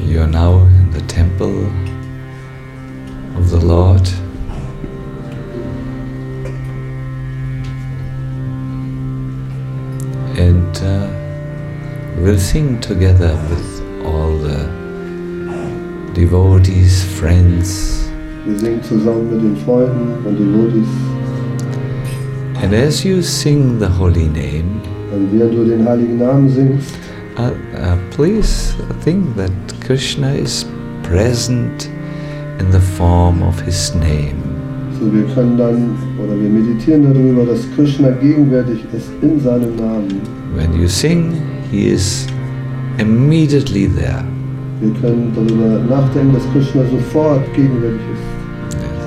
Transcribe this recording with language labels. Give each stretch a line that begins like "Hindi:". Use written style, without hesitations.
English: Now in the temple of the Lord, and we'll sing together with all the devotees, friends.
German: Wir singen zusammen mit den Freunden und Devotees.
English: And as you sing the holy name,
German: und während du den heiligen Namen singst,
English: please think that Krishna is present in the form of his name.
German: So wir können dann, oder wir meditieren darüber, dass Krishna gegenwärtig ist in seinem Namen.
English: When you sing, he is immediately there.
German: Wir können darüber nachdenken, dass Krishna sofort gegenwärtig ist.